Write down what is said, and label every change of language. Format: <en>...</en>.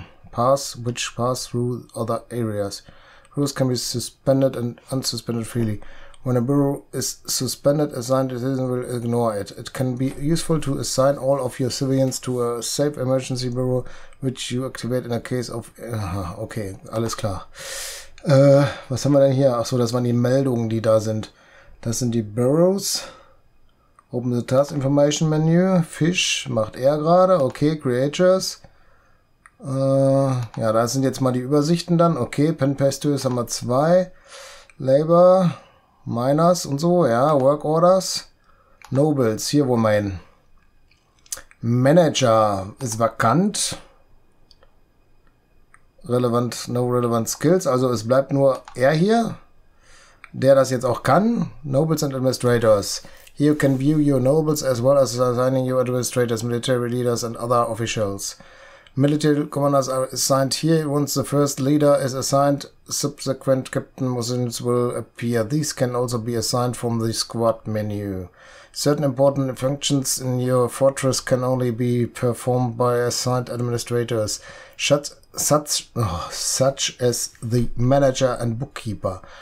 <en>Pass, which pass through other areas. Rules can be suspended and unsuspended freely. When a bureau is suspended, assigned citizen will ignore it. It can be useful to assign all of your civilians to a safe emergency bureau, which you activate in a case of...</en> <de>okay, alles klar. Was haben wir denn hier? Achso, das waren die Meldungen, die da sind. Das sind die Bureaus.</de> <en>Open the task information menu.</en> <de>Fish macht er gerade. Okay, creatures. Ja, da sind jetzt mal die Übersichten dann. Okay, Pen-Pastures haben wir 2. Labor, Miners und so. Ja, Work Orders. Nobles, hier wollen wir hin. Manager ist vakant.</de> <en>Relevant, no relevant skills.</en> <de>Also es bleibt nur er hier, der das jetzt auch kann.</de> <en>Nobles and Administrators. Here you can view your nobles as well as assigning your administrators, military leaders and other officials. Military commanders are assigned here. Once the first leader is assigned, subsequent captain positions will appear. These can also be assigned from the squad menu. Certain important functions in your fortress can only be performed by assigned administrators, such as the manager and bookkeeper.</en>